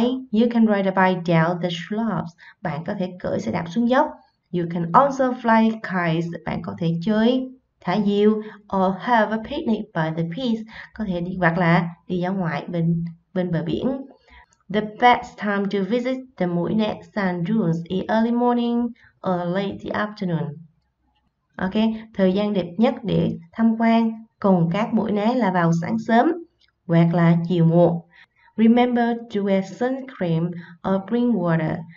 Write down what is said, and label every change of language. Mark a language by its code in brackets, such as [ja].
[en] You can ride a bike down the slopes. [vi] Bạn có thể cưỡi xe đạp xuống dốc. [en] You can also fly kites. [vi] Bạn có thể chơi thả diều. [en] Or have a picnic by the beach. [vi] Có thể đi hoặc là đi ra ngoài bên bờ biển. [en] The best time to visit the Mũi Né sand dunes is early morning or late afternoon. [vi] Ok, thời gian đẹp nhất để tham quan cùng các Mũi Né là vào sáng sớm hoặc là chiều muộn. [en] Remember to wear sunscreen or bring water.